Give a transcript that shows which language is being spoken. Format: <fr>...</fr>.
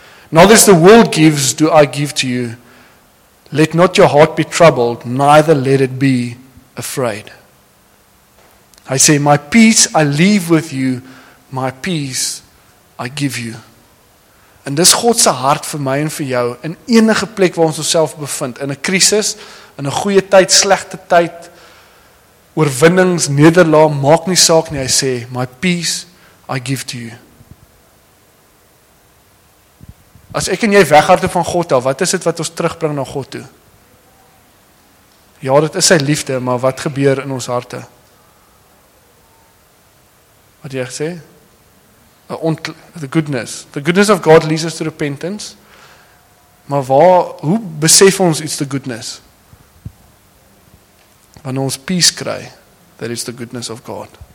<en>Not as the world gives, do I give to you. Let not your heart be troubled, neither let it be afraid.</en> <af>Hy sê,</af> <en>my peace I leave with you, my peace I give you.</en> <af>En dis God se hart vir my en vir jou, in enige plek waar ons onsself bevind, in 'n krisis, in 'n goeie tyd, slegte tyd, oorwinnings, nederlaag, maak nie saak nie, hy sê,</af> <en>my peace I give to you.</en> <af>As ek en jy weghardloop van God af, wat is dit wat ons terugbring na God toe? Ja, dit is sy liefde, maar wat gebeur in ons harte? Wat jy gesê?</af> <en>The goodness. The goodness of God leads us to repentance.</en> <af>Maar waar, hoe besef ons iets</af> <en>the goodness?</en> <af>Wanneer ons</af> <en>peace</en> <af>kry,</af> <en>that is the goodness of God.</en>